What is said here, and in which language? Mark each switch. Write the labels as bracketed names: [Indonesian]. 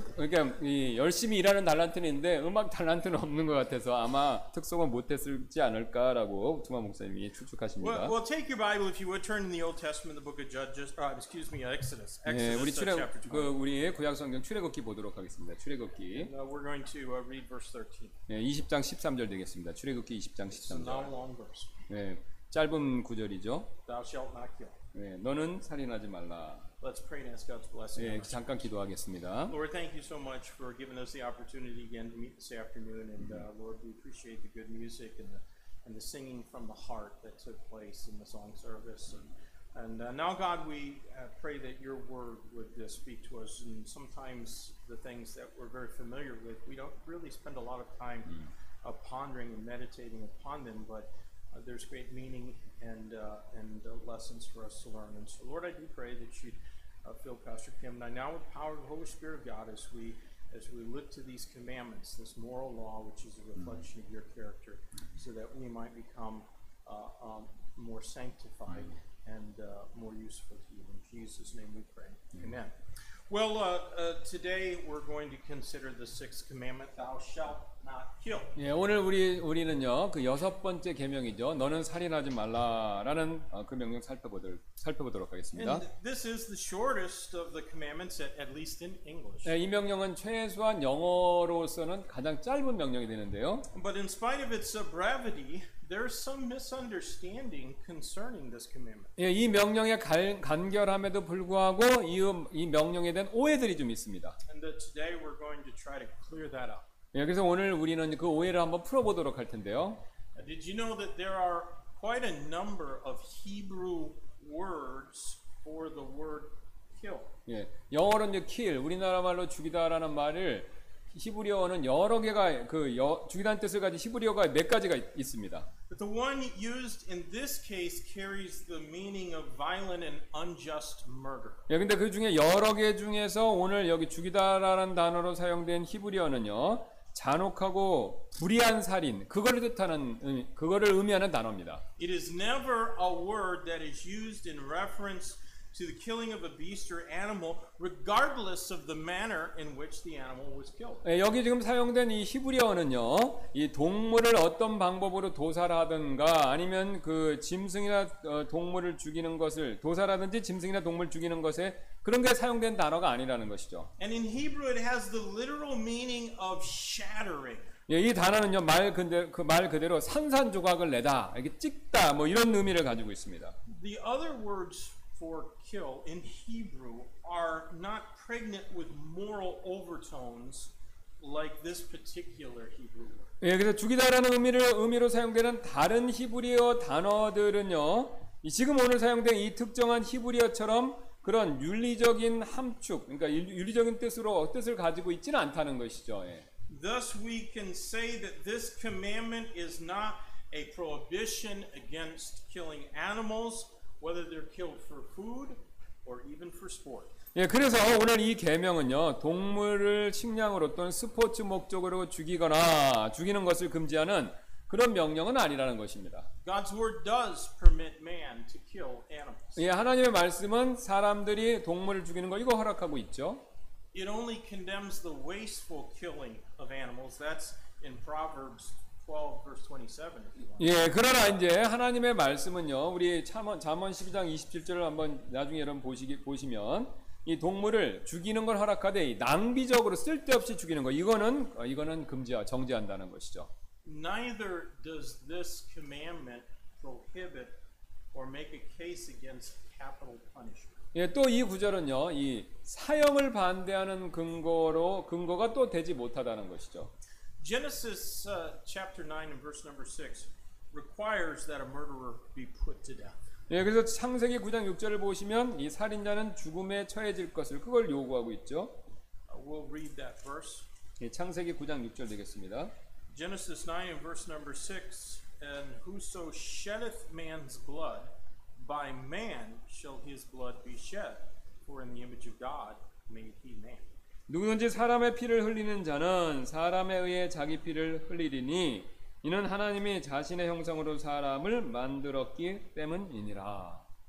[Korean] 그러니까 이 열심히 일하는 달란트는 있는데 음악 달란트는 없는 것 같아서 아마 특송은 못했을지 않을까라고 두마 목사님이 추측하십니다. [English] Well, take your Bible if you would turn in the Old Testament, the book of Judges. Exodus. [Korean] 네, 우리 그 우리의 구약 성경 출애굽기 보도록 하겠습니다. 출애굽기. [English] We're going to read verse 13. [Korean] 네, 20장 13절 되겠습니다. 출애굽기 20장 13절. [English] It's a long verse. [Korean] 네, 짧은 구절이죠. [English] Thou shalt not kill. [Korean] 네, 너는 살인하지 말라. [English] Let's pray and ask God's blessing. [Korean] 예, 잠깐 기도하겠습니다. [English] Lord, thank you so much for giving us the opportunity again to meet this afternoon. And Lord, we appreciate the good music and the singing from the heart that took place in the song service. And now, God, we pray that your word would speak to us. And sometimes the things that we're very familiar with, we don't really spend a lot of time pondering and meditating upon them. But there's great meaning and lessons for us to learn. And so, Lord, I do pray that you'd fill Pastor Kim and I now with the power of the Holy Spirit of God as we look to these commandments, this moral law, which is a reflection of your character, so that we might become more sanctified and more useful to you. In Jesus' name we pray. Amen. Well, today we're going to consider the sixth commandment, thou shalt not kill. [Korean] 예, 오늘 우리는요, 그 여섯 번째 계명이죠. 너는 살인하지 말라라는 그 명령 살펴보도록 하겠습니다. [English] And this is the shortest of the commandments, at least in English. [Korean] 예, 이 명령은 최소한 영어로서는 가장 짧은 명령이 되는데요. [English] But in spite of its brevity, there's some misunderstanding concerning this commandment. [Korean] 예, 이 명령의 간결함에도 불구하고 이 명령에 대한 오해들이 좀 있습니다. [English] And that today we're going to try to clear that up. [Korean] 예, 그래서 오늘 우리는 그 오해를 한번 풀어보도록 할 텐데요. [English] Did you know that there are quite a number of Hebrew words for the word kill? [Korean] 예, 영어로는 kill, 우리나라 말로 죽이다라는 말을 히브리어는 여러 개가 그 주기단 뜻을 가진 히브리어가 몇 가지가 있습니다. [English] But the one used in this case carries the meaning of violent and unjust murder. [Korean] 예, 근데 그 중에 여러 개 중에서 오늘 여기 죽이다라는 단어로 사용된 히브리어는요. 잔혹하고 불의한 살인 그거를 뜻하는 그거를 의미하는 단어입니다. [English] It is never a word that is used in reference to the killing of a beast or animal, regardless of the manner in which the animal was killed. [Korean] 예, 여기 지금 사용된 이 히브리어는요, 이 동물을 어떤 방법으로 도살하든가, 아니면 그 짐승이나 동물을 죽이는 것을 도살하든지 짐승이나 동물 죽이는 것에 그런 게 사용된 단어가 아니라는 것이죠. [English] And in Hebrew, it has the literal meaning of shattering. [Korean] 예, 이 단어는요 말 그대로 산산조각을 내다, 이렇게 찍다, 뭐 이런 의미를 가지고 있습니다. [English] The other words for kill in Hebrew are not pregnant with moral overtones like this particular Hebrew word. [Korean] 예, 그래서 죽이다라는 의미로 사용되는 다른 히브리어 단어들은요, 지금 오늘 사용된 이 특정한 히브리어처럼 그런 윤리적인 함축, 그러니까 윤리적인 뜻을 가지고 있지는 않다는 것이죠. 예. [English] Thus we can say that this commandment is not a prohibition against killing animals, whether they're killed for food or even for sport. [Korean] 예, 그래서 오늘 이 계명은요, 동물을 식량으로 또는 스포츠 목적으로 죽이거나 죽이는 것을 금지하는 그런 명령은 아니라는 것입니다. [English] God's word does permit man to kill animals. [Korean] 예, 하나님의 말씀은 사람들이 동물을 죽이는 거 이거 허락하고 있죠. [English] It only condemns the wasteful killing of animals. That's in Proverbs 12:27. [Korean] 예, 그러나 이제 하나님의 말씀은요, 우리 잠언 12장 27절을 한번 나중에 여러분 보시면 이 동물을 죽이는 걸 허락하되 낭비적으로 쓸데없이 죽이는 거 이거는 정지한다는 것이죠. [English] Neither does this commandment prohibit or make a case against capital punishment. [Korean] 예, 또 이 구절은요, 이 사형을 반대하는 근거가 또 되지 못하다는 것이죠. [English] Genesis chapter 9 and verse number 6 requires that a murderer be put to death. [Korean] 예, 그래서 창세기 9장 6절을 보시면 이 살인자는 죽음에 처해질 것을 그걸 요구하고 있죠. [English] We'll read that verse. [Korean] 예, 창세기 9장 6절 되겠습니다. [English] Genesis 9 and verse number 6, and whoso sheddeth man's blood, by man shall his blood be shed, for in the image of God made he man. [Korean] 누구든지 사람의 피를 흘리는 자는 사람에 의해 자기 피를 흘리리니 이는 하나님이 자신의 형상으로 사람을 만들었기 때문이니라.